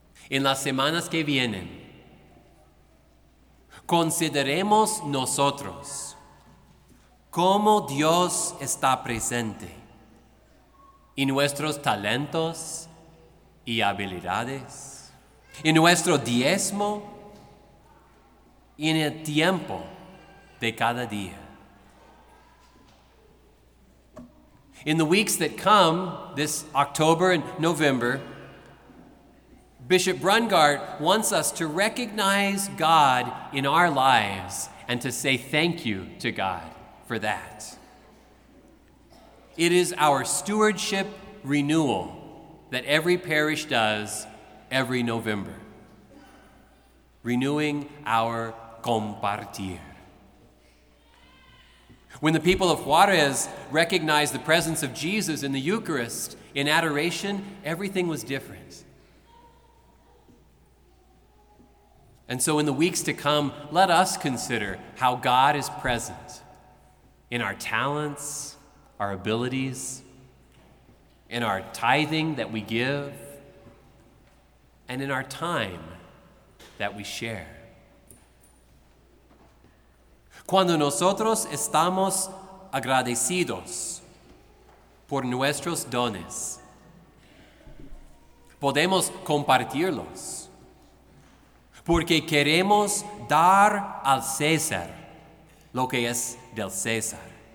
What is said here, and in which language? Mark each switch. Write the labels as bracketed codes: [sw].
[es] En las semanas que vienen, consideremos nosotros cómo Dios está presente en nuestros talentos y habilidades, en nuestro diezmo y en el tiempo de cada día. [en] In the weeks that come, this October and November, Bishop Brungardt wants us to recognize God in our lives and to say thank you to God for that. It is our stewardship renewal that every parish does every November, renewing our compartir. When the people of Juarez recognized the presence of Jesus in the Eucharist in adoration, everything was different. And so in the weeks to come, let us consider how God is present in our talents, our abilities, in our tithing that we give, and in our time that we share. [es] Cuando nosotros estamos agradecidos por nuestros dones, podemos compartirlos, porque queremos dar al César lo que es del César.